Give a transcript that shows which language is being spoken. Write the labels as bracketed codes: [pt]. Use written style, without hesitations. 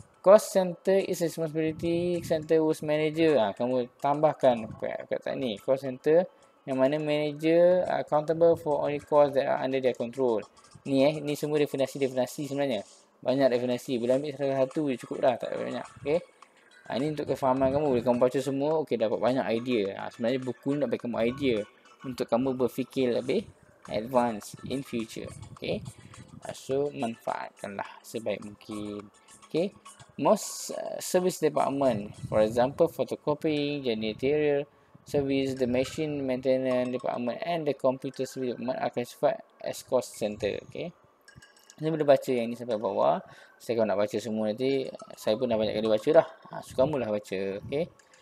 [en] Cost center is responsibility center whose manager. [ms] Ha, kamu tambahkan kata ni. [en] Cost center [ms] yang mana [en] manager accountable for only costs that are under their control. [ms] Ni eh, ni semua definisi-definisi sebenarnya. Banyak definisi. Boleh ambil salah satu je cukup dah, tak ada banyak. Okay. Ha, ni untuk kefahaman kamu. Bila kamu baca semua, okay, dapat banyak idea. Ha, sebenarnya buku ni nak bagi kamu idea untuk kamu berfikir lebih advance [en] in future. [ms] Okay. So manfaatkanlah sebaik mungkin. [en] Okay, most service department, for example, photocopying, janitorial service, the machine maintenance department and the computer service department are classified as cost center. [ms] Okay, saya boleh baca yang ini sampai bawah. Saya kalau nak baca semua nanti, saya pun dah banyak kali baca dah. So, kamu lah baca. Okay.